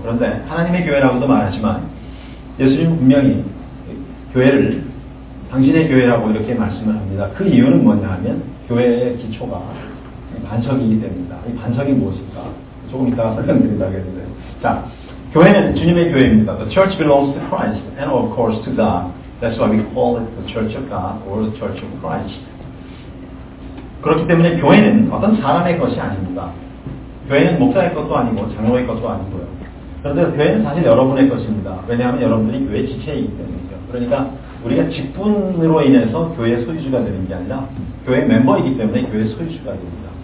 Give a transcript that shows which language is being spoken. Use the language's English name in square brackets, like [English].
[Korean] 그런데 하나님의 교회라고도 말하지만 예수님은 분명히 교회를 당신의 교회라고 이렇게 말씀을 합니다. 그 이유는 뭐냐 하면 교회의 기초가 반석이기 때문입니다. 이 반석이 무엇일까? 조금 이따가 설명드리려고 했는데, 자, 교회는 주님의 교회입니다. [English] The church belongs to Christ and of course to God. That's why we call it the church of God or the church of Christ. [Korean] 그렇기 때문에 교회는 어떤 사람의 것이 아닙니다. 교회는 목사의 것도 아니고 장로의 것도 아니고요. 그런데 교회는 사실 여러분의 것입니다. 왜냐하면 여러분들이 교회 지체이기 때문이죠. 그러니까 우리가 직분으로 인해서 교회의 소유주가 되는 게 아니라 교회 멤버이기 때문에 교회의 소유주가 됩니다.